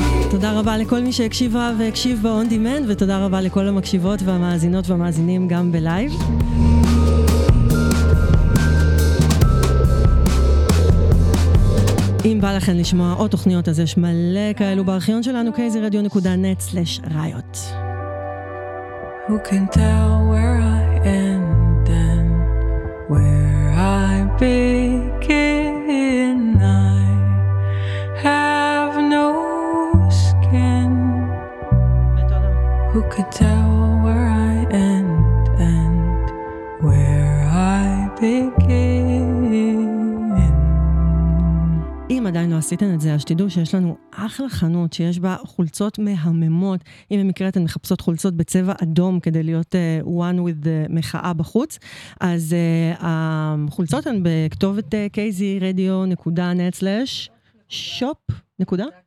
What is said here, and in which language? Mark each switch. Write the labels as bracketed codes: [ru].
[he] תודה רבה לכל מי שהקשיבה והקשיב באון דימנד, ותודה רבה לכל המקשיבות והמאזינות והמאזינים גם בלייב. אם בא לכם לשמוע עוד תוכניות, אז יש מלא כאלו בארכיון שלנו, kzradio.net/riot. [en] Who can tell where I am? end and where I begin, I have no skin. Who could tell where I end and where I begin? [he] אם עדיין לא עשיתם את זה, אז תדעו שיש לנו אחלה חנות שיש בה חולצות מהממות, אם במקרה אתן מחפשות חולצות בצבע אדום כדי להיות [en] one with the [he] מחאה בחוץ, אז החולצות הן בכתובת kzradio.net/shop נקודה?